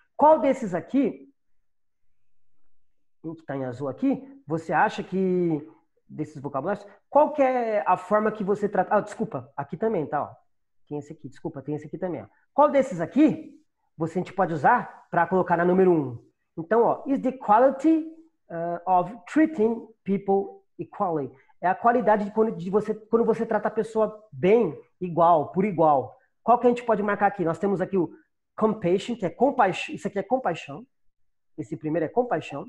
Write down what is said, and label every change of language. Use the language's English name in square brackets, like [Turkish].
[Portuguese] Qual desses aqui, um que está em azul aqui, você acha que, desses vocabulários, qual que é a forma que você trata... Ah, desculpa, aqui também, tá? Ó. Tem esse aqui, desculpa, tem esse aqui também. Ó. Qual desses aqui, você, a gente pode usar para colocar na número 1? Então, ó, [English] is the quality of treating people equally. [Portuguese] É a qualidade de quando você trata a pessoa bem, igual, por igual. Qual que a gente pode marcar aqui? Nós temos aqui o compassion, que é compaixão. Isso aqui é compaixão. Esse primeiro é compaixão.